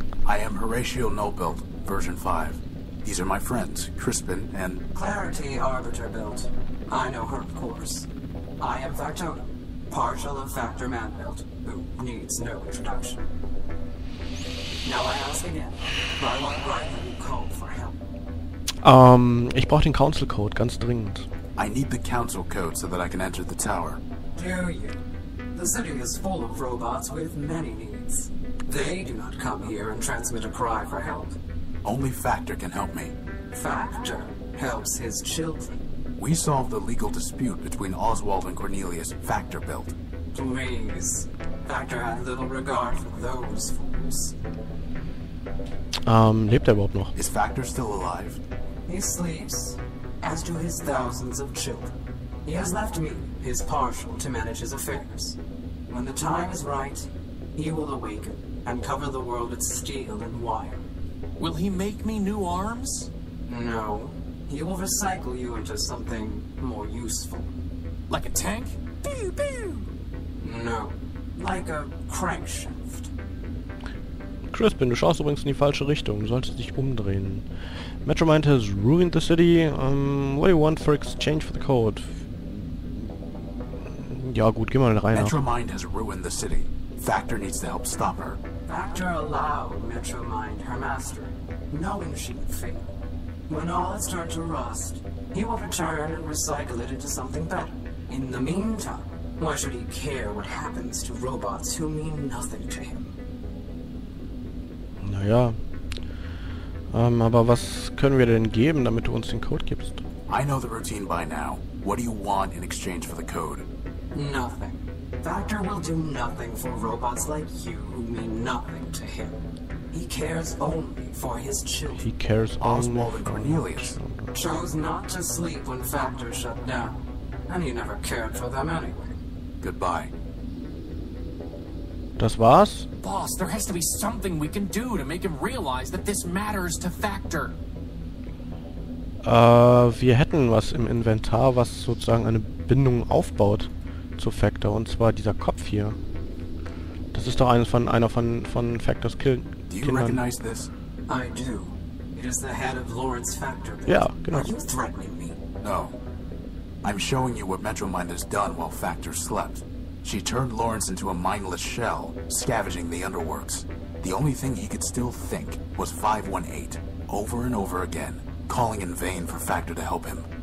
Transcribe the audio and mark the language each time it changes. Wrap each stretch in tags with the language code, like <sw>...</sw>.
<en>I am Horatio Nobelt, version 5. These are my friends, Crispin and... Clarity Arbiter Belt. I know her, of course. I am Factotum, partial of Factor Manbelt, who needs no introduction. Now I ask again, by what right have you called for help?</en> <de>Ich brauche den Council Code, ganz dringend.</de> <en>I need the Council Code so that I can enter the tower. Do you? The city is full of robots with many needs. They do not come here and transmit a cry for help. Only Factor can help me. Factor helps his children. We solved the legal dispute between Oswald and Cornelius Factor built. Please. Factor had little regard for those fools.</en> <de>Lebt er überhaupt noch?</de> <en>Is Factor still alive? He sleeps, as do his thousands of children. He has left me, his partial, to manage his affairs. When the time is right, he will awaken and cover the world with steel and wire. Will he make me new arms? No. He will recycle you into something more useful. Like a tank? Pew pew! No. Like a crankshaft.</en> <de>Crispin, du schaust übrigens in die falsche Richtung. Du solltest dich umdrehen.</de> <en>Metromind has ruined the city. What do you want for exchange for the code?</en> <de>Ja gut, geh mal rein.</de> <en>Metromind has ruined the city. Factor needs to help stop her. Factor allowed Metromind, her master, knowing she would fail. When all has turned to rust, he will return and recycle it into something better. In the meantime, why should he care what happens to robots who mean nothing to him?</en> <de>Naja. Aber was können wir denn geben, damit du uns den Code gibst?</de> <en>I know the routine by now. What do you want in exchange for the code? Nothing. Factor will do nothing for robots like you who mean nothing to him. He cares only for his children. He cares only Oswald and Cornelius. Chose not to sleep when Factor shut down. And he never cared for them anyway. Goodbye.</en> <de>Das war's?</de> <en>Boss, there has to be something we can do to make him realize that this matters to Factor.</en> <de>Wir hätten was im Inventar, was sozusagen eine Bindung aufbaut zu Factor, und zwar dieser Kopf hier. Das ist doch einer von Factors Kindern.</de> <en>Do you recognize this? I do. It is the head of Lawrence Factor.</en> <de>Ja, genau.</de> <en>Are you threatening me? No. I'm showing you what Metromind has done while Factor slept. She turned Lawrence into a mindless shell, scavenging the underworks. The only thing he could still think was 518, over and over again, calling in vain for Factor to help him.</en>